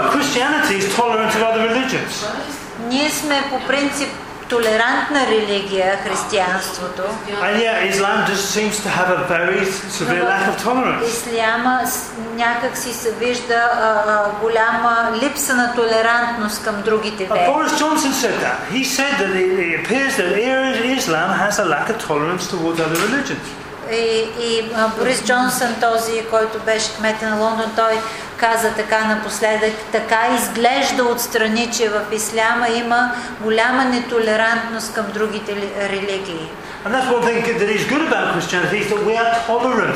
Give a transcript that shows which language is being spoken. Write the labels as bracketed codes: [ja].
[en] Christianity is tolerant of other religions. [bg] Ние сме по принцип толерантна религия, християнството. [en] And yet Islam just seems to have a very severe lack of tolerance. [bg] Исляма някак си се вижда голяма липса на толерантност към другите вери. [en] Boris Johnson said that. He said that it appears that Islam has a lack of tolerance towards other religions. [bg] И Борис Джонсън, този, който беше кмет на Лондон, той каза така напоследък, така изглежда отстрани, че в исляма има голяма нетолерантност към другите религии. [en] And that's one thing that is good about Christianity, is that we are tolerant.